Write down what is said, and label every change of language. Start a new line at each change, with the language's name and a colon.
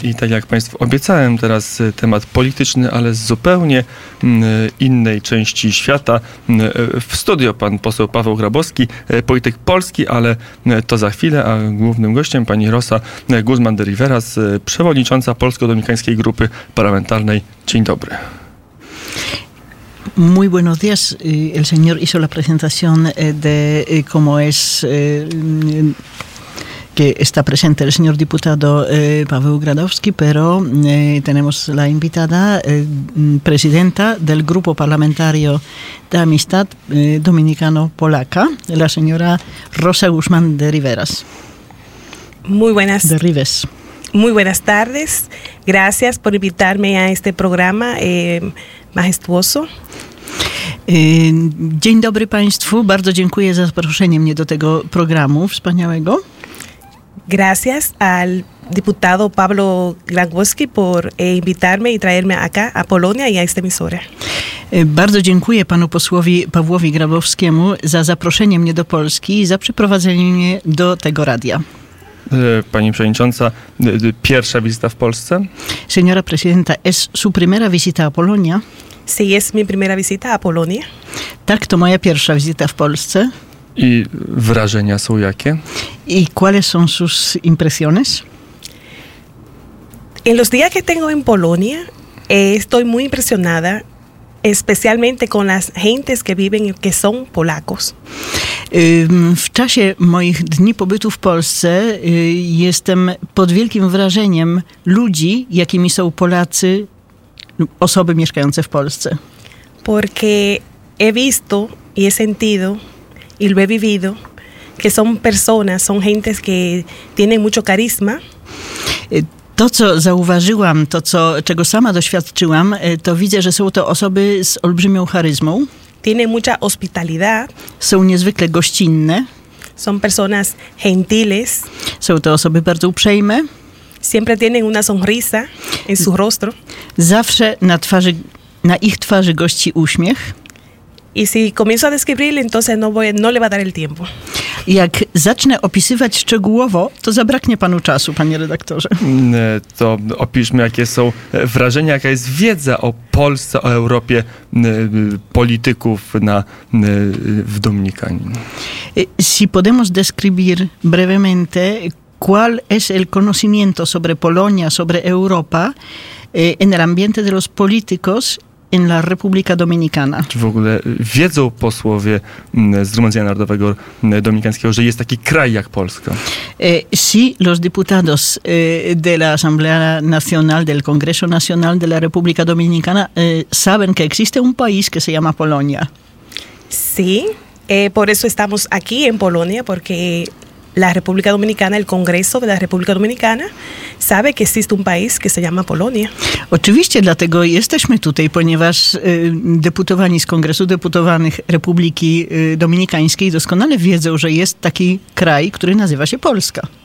Polish: I tak jak Państwu obiecałem, teraz temat polityczny, ale z zupełnie innej części świata. W studio pan poseł Paweł Grabowski, polityk polski, ale to za chwilę, a głównym gościem pani Rosa Guzman de Riveras, przewodnicząca Polsko-Dominikańskiej Grupy Parlamentarnej. Dzień dobry.
Spanish: Muy buenos días. El señor hizo la presentación de cómo es que está presente el señor diputado Paweł Grabowski, pero tenemos la invitada presidenta del Grupo Parlamentario de Amistad Dominicano-Polaca, la señora Rosa Guzmán de Riveras. Muy buenas. De Rives. Muy buenas tardes, gracias por invitarme a este programa majestuoso.
Polish: Dzień dobry Państwu, bardzo dziękuję za zaproszenie mnie do tego programu wspaniałego.
Spanish: Gracias al diputado Pablo Grabowski por invitarme y traerme acá a Polonia y a esta emisora.
Polish: Bardzo dziękuję panu posłowi Pawłowi Grabowskiemu za zaproszenie mnie do Polski i za przyprowadzenie mnie do tego radia. Pani przewodnicząca, pierwsza wizyta w Polsce?
Spanish: Señora presidenta, ¿es su primera visita a Polonia? Sí, es mi primera visita a Polonia.
Polish: Tak, to moja pierwsza wizyta w Polsce. I wrażenia są jakie?
Spanish: ¿Y cuáles son sus impresiones? En los días que tengo en Polonia, estoy muy impresionada, especialmente con las gentes que viven y que son polacos.
Polish: W czasie moich dni pobytu w Polsce jestem pod wielkim wrażeniem ludzi, jakimi są Polacy, osoby mieszkające w Polsce.
Spanish: Porque he visto y he sentido y lo he vivido, que son personas, son gentes que tienen mucho carisma.
Polish: To, co zauważyłam, to, co, czego sama doświadczyłam, to widzę, że są to osoby z olbrzymią charyzmą.
Spanish: Tienen mucha hospitalidad.
Polish: Są niezwykle gościnne.
Spanish: Son personas gentiles.
Polish: Są to osoby bardzo uprzejme.
Spanish: Siempre tienen una sonrisa en su rostro.
Polish: Zawsze na ich twarzy gości uśmiech.
Spanish: Y si comienzo a describirle, entonces no le va a dar el tiempo.
Polish: Jak zacznę opisywać szczegółowo, to zabraknie panu czasu, panie redaktorze. To opiszmy, jakie są wrażenia, jaka jest wiedza o Polsce, o Europie, polityków w Dominikanie.
Spanish: Si podemos describir brevemente cuál es el conocimiento sobre Polonia, sobre Europa, en el ambiente de los políticos en la República Dominicana.
Polish: Czy w ogóle wiedzą posłowie Zgromadzenia Narodowego Dominikańskiego, że jest taki kraj jak Polska?
Spanish: Sí, los diputados de la Asamblea Nacional, del Congreso Nacional de la República Dominicana saben que existe un país que se llama Polonia. Sí, por eso estamos aquí en Polonia, porque la República Dominicana, el Congreso de la República Dominicana sabe que existe un país que se llama Polonia.
Polish: Oczywiście dlatego jesteśmy tutaj, ponieważ deputowani z Kongresu Deputowanych Republiki Dominikańskiej doskonale wiedzą, że jest taki kraj, który nazywa się Polska.